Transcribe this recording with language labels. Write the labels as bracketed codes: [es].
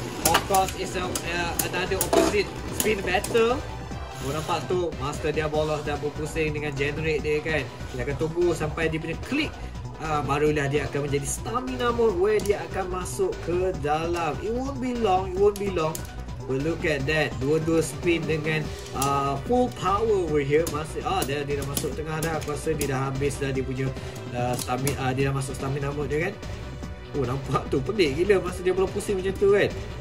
[en] Of course, it's another opposite spin battle. [ms] Kau nampak tu, Master Diabolos dah berpusing dengan generate dia kan. Kita akan tunggu sampai dia punya klik. Barulah dia akan menjadi stamina mode where dia akan masuk ke dalam. [en] It won't be long, it won't be long. But look at that. [ms] Dua-dua [en] spin dengan full power over here. [ms] Masih, dia dah masuk tengah dah. Aku rasa dia dah habis dah dia punya stamina. Dia dah masuk stamina mode dia kan. Oh, nampak tu pelik gila masa dia belum pusing macam tu kan.